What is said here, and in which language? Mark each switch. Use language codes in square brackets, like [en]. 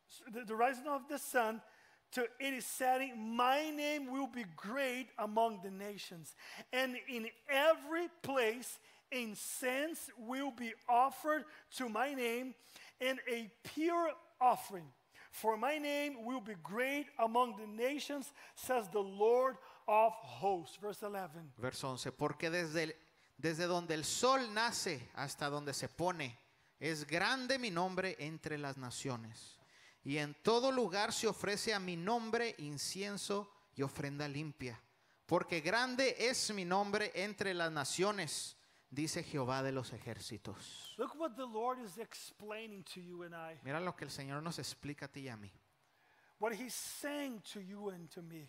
[en] The rising of the sun, to it is setting. My name will be great among the nations, and in every place incense will be offered to my name. In a pure offering, for my name will be great among the nations, says the Lord of hosts. Verse 11. [es] Verso 11. Porque desde donde el sol nace hasta donde se pone, es grande mi nombre entre las naciones. Y en todo lugar se ofrece a mi nombre incienso y ofrenda limpia. Porque grande es mi nombre entre las naciones. Dice Jehová de los ejércitos. [en] Look what the Lord is explaining to you and I. [es] Mira lo que el Señor nos explica a ti y a mí. [en] What he's saying to you and to me.